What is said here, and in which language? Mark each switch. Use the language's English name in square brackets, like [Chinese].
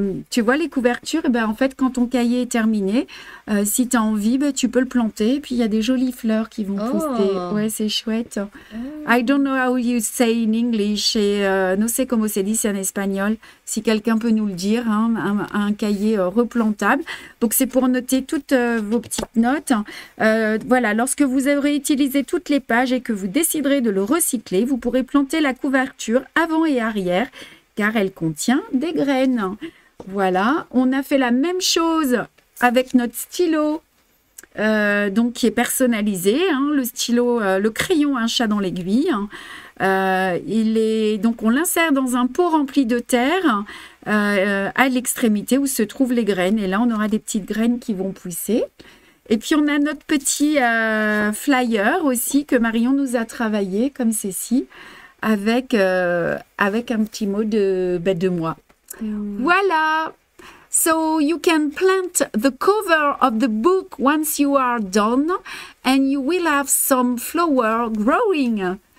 [French] Tu vois les couvertures, ben, en fait, quand ton cahier est terminé, si tu as envie, ben, tu peux le planter. Et puis, il y a des jolies fleurs qui vont pousser. Ouais, c'est chouette. [English] I don't know how you say in English. [Spanish] Et, no sé cómo se dice en espagnol. [French] Si quelqu'un peut nous le dire, hein, un cahier replantable. Donc, c'est pour noter toutes vos petites notes. Voilà, lorsque vous aurez utilisé toutes les pages et que vous déciderez de le recycler, vous pourrez planter la couverture avant et arrière, car elle contient des graines. Voilà, on a fait la même chose avec notre stylo, donc qui est personnalisé, hein, le stylo, le crayon un chat dans l'aiguille. Hein. Il est donc on l'insère dans un pot rempli de terre à l'extrémité où se trouvent les graines. Et là, on aura des petites graines qui vont pousser. Et puis, on a notre petit flyer aussi que Marion nous a travaillé, comme ceci. Avec un petit mot de bête de moi. Voilà. [English] So you can plant the cover of the book once you are done and you will have some flower growing.